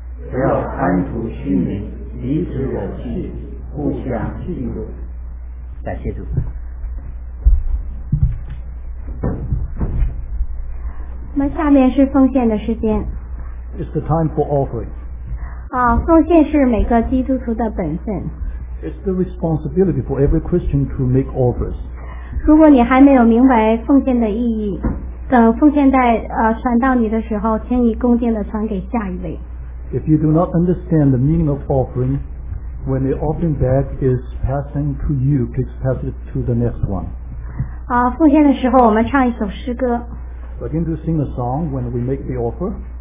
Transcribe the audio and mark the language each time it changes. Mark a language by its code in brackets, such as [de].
[zh] 只要安徒虚名，彼此忍气，互相嫉妒。感谢主。那下面是奉献的时间。 [en] It's the time for offering. [zh] 奉献是每个基督徒的本分。 [en] It's the responsibility for every Christian to make offers. [zh] 如果你还没有明白奉献的意义，等奉献袋传到你的时候，请你恭敬地传给下一位。 [en] If you do not understand the meaning of offering, when the offering bag is passing to you, please pass it to the next one. [zh] 奉献的时候，我们唱一首诗歌。 [en] Begin to sing a song when we make the offer.